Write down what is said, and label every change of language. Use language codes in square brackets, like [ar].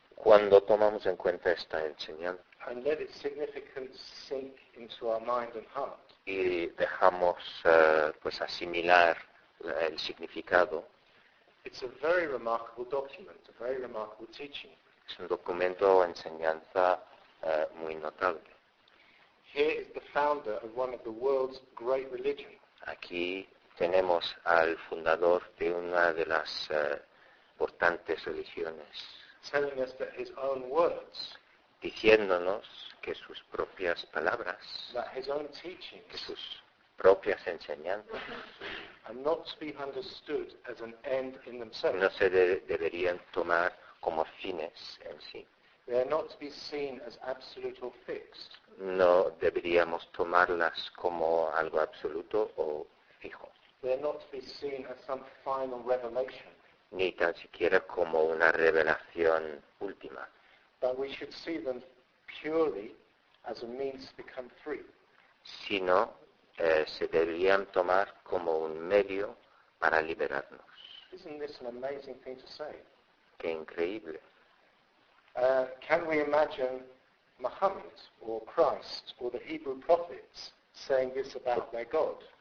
[es] cuando tomamos en cuenta esta enseñanza, [en] and let its significance sink into our mind and heart, [es] y dejamos pues asimilar el significado, [en] it's a very remarkable document, a very remarkable teaching. [es] Es un documento o enseñanza muy notable. [en] Here is the founder of one of the world's great religions. [es] Aquí tenemos al fundador de una de las importantes religiones. [en] Telling us that his own words, [es] diciéndonos que sus propias palabras, [en] that his own teachings, [es] que sus propias enseñanzas, [en] are not to be understood as an end in themselves. [es] No se deberían tomar como fines en sí. [en] They are not to be seen as absolute or fixed. [es] No deberíamos tomarlas como algo absoluto o fijo. [en] They are not to be seen as some final revelation. [es] Ni tan siquiera como una revelación última. [en] But we should see them purely as a means to become free. [es] Sino se deberían tomar como un medio para liberarnos. [en] Isn't this an amazing thing to say? [es] Qué increíble. [en] Can we imagine Muhammad or Christ or the Hebrew prophets saying this about their God?